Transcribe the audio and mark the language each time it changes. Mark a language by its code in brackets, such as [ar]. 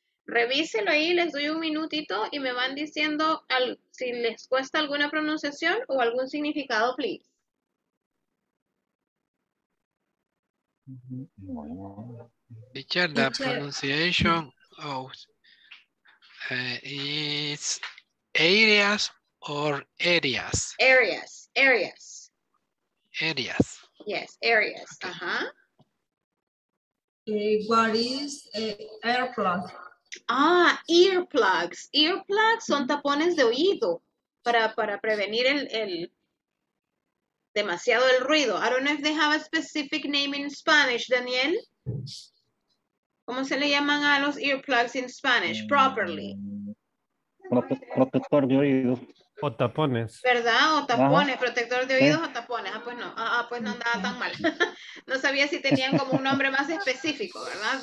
[es] Revíselo ahí, les doy un minutito y me van diciendo si les cuesta alguna pronunciación o algún significado, please. [en] Teacher, the pronunciation of is areas or areas? Areas, areas. Areas. Yes, areas. Okay. Uh-huh. What is earplugs? Ah, earplugs. [es] Earplugs son tapones de oído para prevenir el demasiado el ruido. [en] I don't know if they have a specific name in Spanish, Daniel. [es] ¿Cómo se le llaman a los earplugs [en] in Spanish properly? [es] Protector de oído. O tapones. ¿Verdad? O tapones. Ajá. Protector de oídos, ¿eh? O tapones. Ah, pues no. Ah, pues no andaba tan mal. No sabía si tenían como un nombre más específico, ¿verdad?